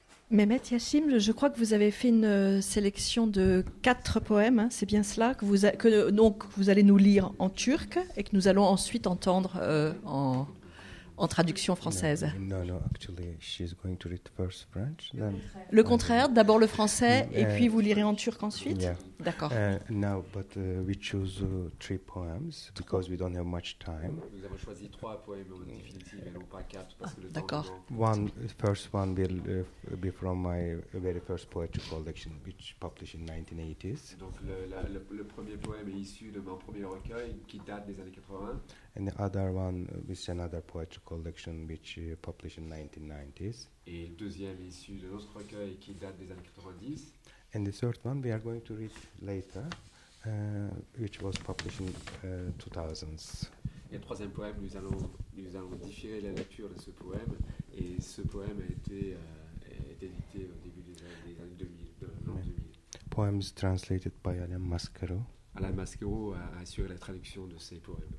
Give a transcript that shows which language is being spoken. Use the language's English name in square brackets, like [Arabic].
[French] Mehmet Yachim, je crois que vous avez fait une sélection de 4 poèmes, hein, c'est bien cela, que vous allez nous lire en turc et que nous allons ensuite entendre en, en traduction française. [English] No, actually, she's going to read the first French. Then [French] le contraire, d'abord le français et puis vous lirez en turc ensuite. [English] Yeah. [French] D'accord. [English] Now, but we choose three poems because we don't have much time. [French] Nous avons choisi trois poèmes en définitive et non pas quatre parce que le d'accord. Temps. D'accord. [English] One first one will be from my very first poetry collection, which published in 1980s. [French] Donc le premier poème est issu de mon premier recueil qui date des années 80. [English] And the other one is another poetry collection which published in 1990s. [French] Et le deuxième est issu de notre recueil qui date des années 90. [English] And the third one we are going to read later, which was published in 2000s. [French] Et le troisième poème, nous allons différer la lecture de ce poème. Et ce poème a été édité au début des années 2000, dans l'an 2000. [English] Poems translated by Alain Mascaro. [French] Alain Mascaro a assuré la traduction de ces poèmes.